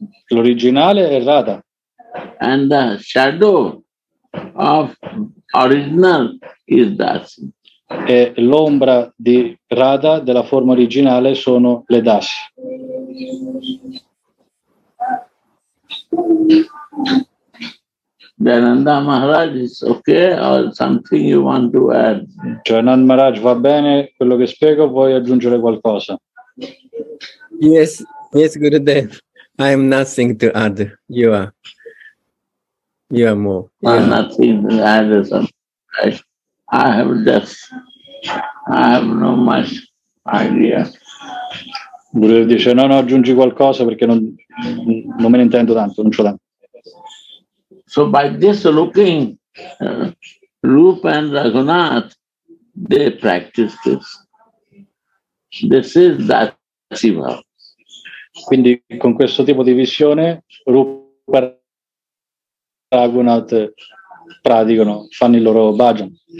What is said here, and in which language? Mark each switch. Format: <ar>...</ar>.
<it>L'originale è Radha.</it> <en>And the shadow of original is dasi.</en> <it>E l'ombra di Radha della forma originale sono le dasi.</it> <en>Jayananda Maharaj is okay or something you want to add?</en> <it>Jayananda Maharaj, va bene quello che spiego, vuoi aggiungere qualcosa?</it> <en>Yes, yes, Gurudev. I am nothing to add. You are more. Yeah. I'm nothing to add. I have no much idea.</en> <it>Gurudev dice, no, aggiungi qualcosa perché non me ne intendo tanto, non c'ho tanto.</it> <en>So by this looking, Rupa and Raghunath, they practice this. This is that Shiva.</en> <it>Quindi con questo tipo di visione, Rupa e Raghunath praticano, fanno il loro bhajan.</it>